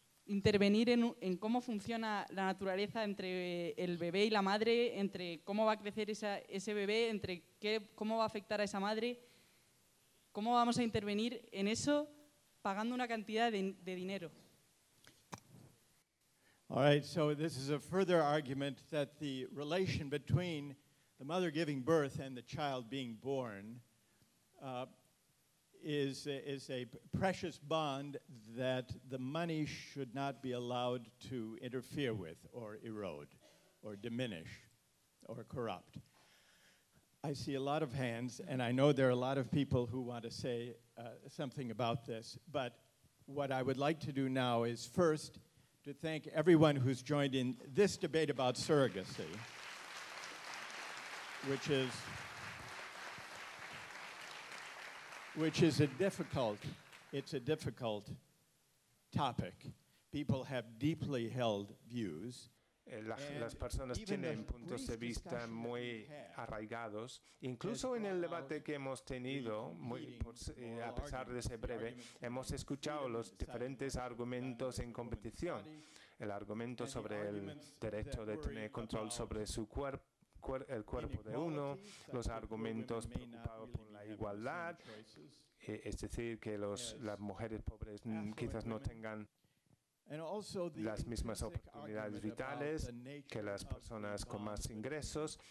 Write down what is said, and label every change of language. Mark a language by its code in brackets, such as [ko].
[es] intervenir en cómo funciona la naturaleza entre el bebé y la madre, entre cómo va a crecer ese bebé, entre cómo va a afectar a esa madre, cómo vamos a intervenir en eso pagando una cantidad de dinero. [en] All right, so this is a further argument that the relation between the mother giving birth and the child being born is a precious bond that the money should not be allowed to interfere with or erode or diminish or corrupt. I see a lot of hands, and I know there are a lot of people who want to say something about this, but what I would like to do now is first to thank everyone who's joined in this debate about surrogacy, which is a difficult topic. People have deeply held views. [es] Las personas tienen puntos de vista muy arraigados. Incluso en el debate que hemos tenido, a pesar de ser breve, hemos escuchado los diferentes argumentos en competición. El argumento sobre el derecho de tener control sobre su cuerpo, el cuerpo de uno, los argumentos preocupados por la igualdad, es decir, que las mujeres pobres quizás no tengan las mismas oportunidades vitales que las personas con más ingresos.